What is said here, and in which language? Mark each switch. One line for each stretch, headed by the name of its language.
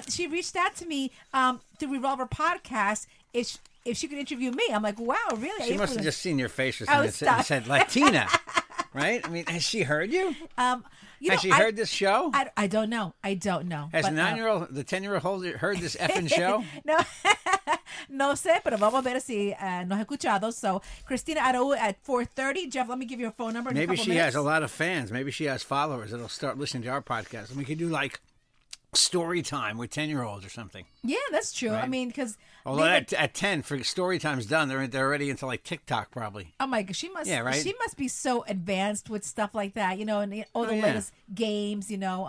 English: She reached out to me through Revolver Podcast. If she could interview me, I'm like, wow, really? She must have just seen your face or something and said Latina, right? I mean, has she heard you? Heard this show? I don't know. Has the 9-year-old, the 10-year-old heard this effing show? No.
Spanish: No sé, pero vamos a ver si nos escuchado.
English: So, Christina Araú at 4:30. Jeff, let me give you her phone number. Maybe she minutes. Has a lot of fans. Maybe she has followers that'll start listening to our podcast. And we could do like story time with 10-year-olds or something. Yeah, that's true. Right? I mean, because. Although at 10, for story time's done, they're already into like TikTok probably. Oh my gosh, she must be so advanced with stuff like that, you know, and the latest games, you know.